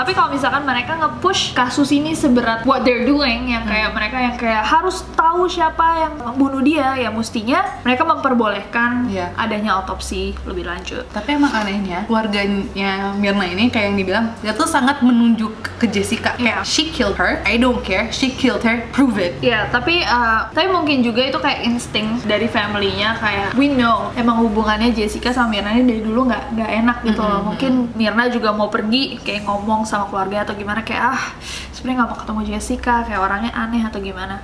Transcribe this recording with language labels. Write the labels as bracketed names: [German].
[Indonesian] Tapi kalau misalkan mereka nge-push kasus ini seberat [English] what they're doing, [Indonesian] yang kayak mereka yang kayak harus tahu siapa yang membunuh dia, ya mestinya mereka memperbolehkan adanya otopsi lebih lanjut. Tapi emang anehnya, keluarganya Mirna ini kayak yang dibilang, dia tuh sangat menunjuk ke Jessica. [English] Kayak, she killed her, I don't care, she killed her, prove it. [Indonesian] Iya, tapi mungkin juga itu kayak insting dari family-nya, kayak [English] we know [Indonesian] emang hubungannya Jessica sama Mirna ini dari dulu nggak enak gitu. Mm-hmm. Mungkin Mirna juga mau pergi kayak ngomong sama keluarga atau gimana, kayak sebenarnya nggak mau ketemu Jessica, kayak orangnya aneh atau gimana.